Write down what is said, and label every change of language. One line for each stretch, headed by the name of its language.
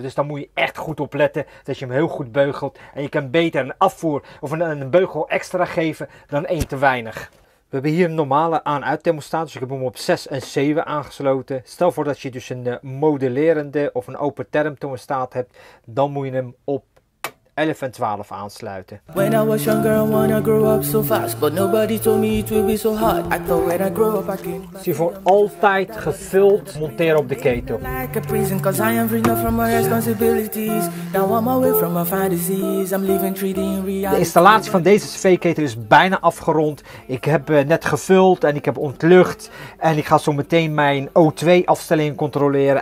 Dutch: Dus daar moet je echt goed op letten dat je hem heel goed beugelt. En je kan beter een afvoer of een beugel extra geven dan één te weinig. We hebben hier een normale aan-uit-thermostaat, dus ik heb hem op 6 en 7 aangesloten. Stel voor dat je dus een modulerende of een open thermostaat hebt, dan moet je hem op 11 en 12 aansluiten.
English: When I was younger, I wanna grow up so fast, but nobody told me it would be so hard. I thought when I grow up, I can.
Dutch: Zie je voor altijd gevuld monteren op de ketel.
English: Like a prison, cause I am free now from my responsibilities. Now I'm away from my fantasies. I'm living 3D in reality.
Dutch: De installatie van deze cv-ketel is bijna afgerond. Ik heb net gevuld en ik heb ontlucht. En ik ga zo meteen mijn O2-afstelling controleren.